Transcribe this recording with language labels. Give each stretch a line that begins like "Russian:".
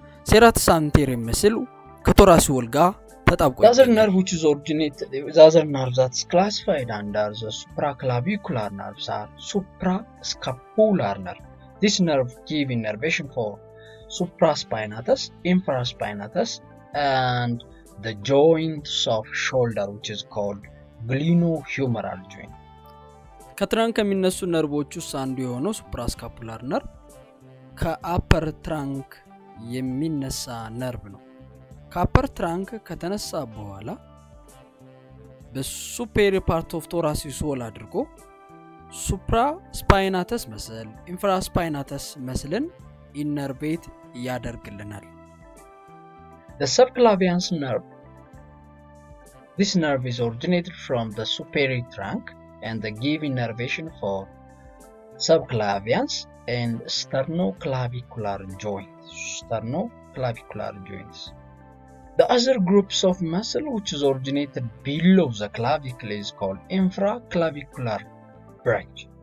Amharic: ሴራተስ አንቴሪየር መስል ከቶራሲ ወልጋ ተጣብቆ ያዘር ነርቭ
English: which is originate
Amharic: ዛዘር ነርቭ
English: that is classified under the supraclavicular nerves are suprascapular nerve. This nerve give innervation for supraspinatus, infraspinatus and the joints of shoulder which is called glenohumeral joint.
Amharic: ከትራንክ ከሚነሱ ነርቮች ውስጥ አንዱ የሆነው suprascapular nerve ከአፐር ትራንክ የሚነሳ ነርቭ ነው። ከአፐር ትራንክ ከተነሳ በኋላ በሱፐሪየር ፓርት ኦፍ ቶራሲስ ወል አድርጎ ሱፕራ ስፓይናተስ መስል ኢንፍራ ስፓይናተስ መስልን ኢነርቬት ያደርግልናል።
English: The subclavian nerve. This nerve is originated from the superior trunk and they give innervation for subclavians and sternoclavicular joints. Sternoclavicular joints. The other groups of muscle which is originated below the clavicle is called infraclavicular branch.